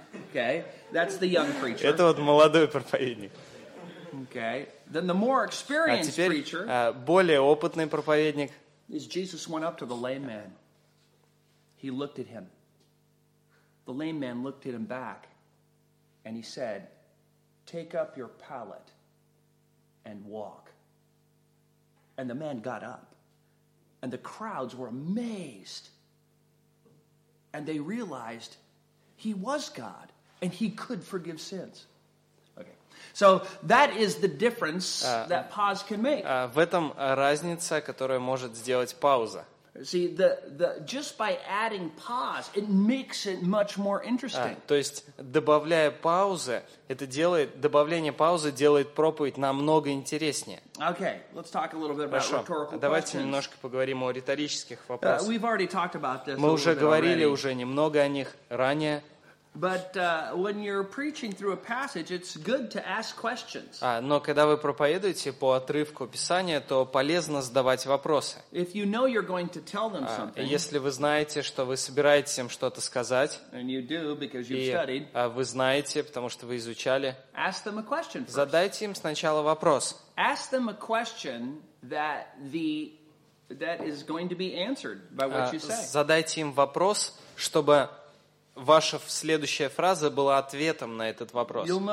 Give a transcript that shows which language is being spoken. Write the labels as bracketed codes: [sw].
[en] Okay, that's the young preacher. [ru] Это вот молодой проповедник. [en] Okay, then the more experienced preacher. [ru] А теперь более опытный проповедник. [en] Is Jesus went up to the lame man. He looked at him. The lame man looked at him back. And he said, take up your pallet and walk. And the man got up. And the crowds were amazed. And they realized he was God. And he could forgive sins. Okay. So that is the difference that pause can make. [ru] В этом разница, которую может сделать пауза. [en] See, the just by adding pause, it makes it much more interesting. [ru] То есть, добавляя паузы, добавление паузы делает проповедь намного интереснее. [en] Okay, let's talk a little bit about rhetorical questions. [ru] Хорошо, давайте немножко поговорим о риторических вопросах. [en] We've already talked about this. [ru] Мы уже говорили немного о них ранее. [en] But when you're preaching through a passage, it's good to ask questions. [ru] Но когда вы проповедуете по отрывку Писания, то полезно задавать вопросы. [en] If you know you're going to tell them something. [ru] Если вы знаете, что вы собираетесь им что-то сказать. [en] And you do because you've studied. [ru] Вы знаете, потому что вы изучали. [en] Ask them a question first. [ru] Задайте им сначала вопрос. [en] Ask them a question that is going to be answered by what you say. [ru] Задайте им вопрос, чтобы ваша следующая фраза была ответом на этот вопрос.